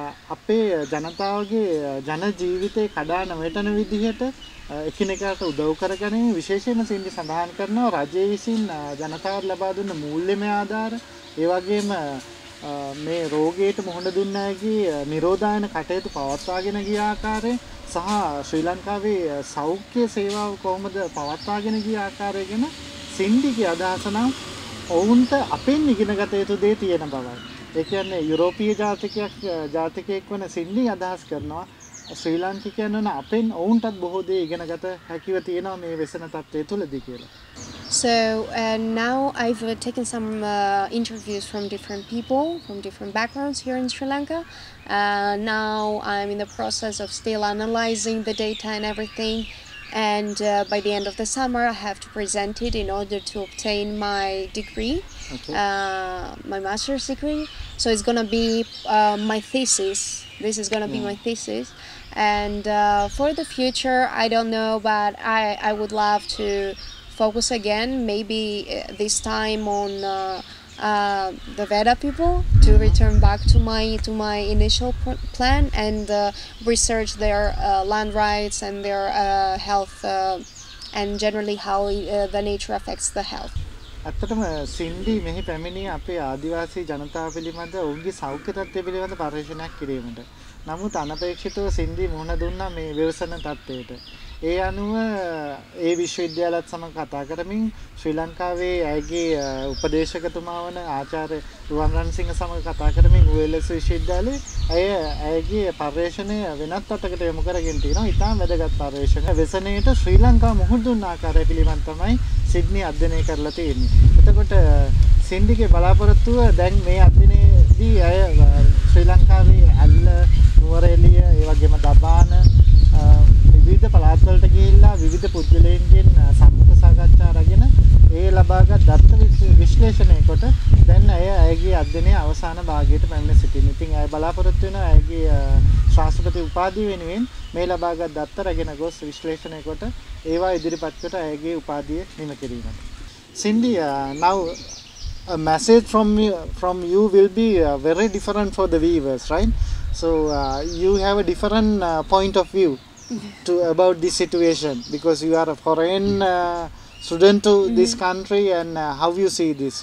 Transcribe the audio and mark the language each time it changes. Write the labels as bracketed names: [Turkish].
[Sinhala] අපේ ජනතාවගේ ජන ජීවිතේ කඩා නොවැටෙන විදිහට එකිනෙකාට උදව් කරගැනීම විශේෂයෙන්ම සින්ඩි සඳහන් කරනවා රජය විසින් ජනතාවට ලබා දුන්න මූල්‍යම ආධාර ඒ වගේම මේ රෝගීට මුහුණ දුන්න ඇගේ නිරෝධායන කටයුතු පවත්වාගෙන ගිය ආකාරය සහ ශ්‍රී ලංකාවේ සෞඛ්‍ය සේවාව කොහොමද පවත්වාගෙන ගිය ආකාරය ගැන සින්ඩිගේ අදහස නම් ඔවුන්ට අපෙන් ඉගෙන ගත යුතු දේ තියෙන බවයි. ඒ කියන්නේ යුරෝපීය ජාතිකයෙක් වන සින්ඩි අදහස් කරනවා ශ්‍රී ලාංකිකයන් වන අපෙන් ඔවුන්ටත් බොහෝ දේ ඉගෙන ගත හැකිව තියෙනවා මේ වසන තත්ත්වය තුළදී කියලා. [English] So now I've taken some interviews from different people, from different backgrounds here in Sri Lanka. Now I'm in the process of still analyzing the data and everything. And by the end of the summer, I have to present it in order to obtain my degree, my master's degree. So it's going to be my thesis. This is going to be my thesis. And for the future, I don't know, but I would love to focus again, maybe this time on the Veda people, to return back to my initial plan and research their land rights and their health and generally how the nature affects the health. [Sinhala] ඇත්තටම සින්ඩි මෙහි පැමිණී අපේ ආදිවාසී ජනතාව පිළිබඳ ඔවුන්ගේ සෞඛ්‍ය තත්ත්වය පිළිබඳ පර්යේෂණයක් කිරීමට. නමුත් අනපේක්ෂිතව සින්ඩි මුහුණ දුන්නා මේ ව්‍යවසන තත්ත්වයට. ඒ අනුව ඒ විශ්වවිද්‍යාලයත් සමඟ කතා කරමින් ශ්‍රී ලංකාවේ ඇගේ උපදේශකතුමා වන ආචාර්ය රුවන්රන්සිංහ සමඟ කතා කරමින් UELS විශ්වවිද්‍යාලයේ ඇගේ පර්යේෂණය වෙනත් අතකට යොමු කරගෙන තියෙනවා. ඉතාම වැදගත් පර්යේෂණ ව්‍යසනයට ශ්‍රී ලංකාව මුහුණ දුන්න ආකාරය පිළිබඳ තමයි සිඩ්නි අධ්‍යයනය කරලා තියෙන්නේ. එතකොට සින්ඩිගේ බලාපොරොත්තුව දැන් මේ අධ්‍යයනයේදී ඇය ශ්‍රී ලංකාවේ ඇල්ල නුවර එළිය ඒ වගේම දබාන විවිධ පළාත්වලට ගිහිල්ලා විවිධ පුද්ගලයන්ගෙන් සම්මුඛ සාකච්ඡා අරගෙන ඒ ලබාගත් දත්ත විශ්ලේෂණය කොට දැන් ඇය ඇයගේ අධ්‍යයනයේ අවසාන භාගයට පැමිණ සිටින්න. ඉතින් ඇය බලාපොරොත්තු වෙන ඇයගේ ශාස්ත්‍රපති උපාධිය වෙනුවෙන් මේ ලබාගත් දත්ත රැගෙන ගොස් විශ්ලේෂණය කොට ඒවා ඉදිරිපත් කොට ඇයගේ උපාධිය නිම කිරීමට. [English] Cindy, now a message from you will be very different for the viewers, right? So you have a different point of view to about this situation because you are a foreign student to this country, and how you see this?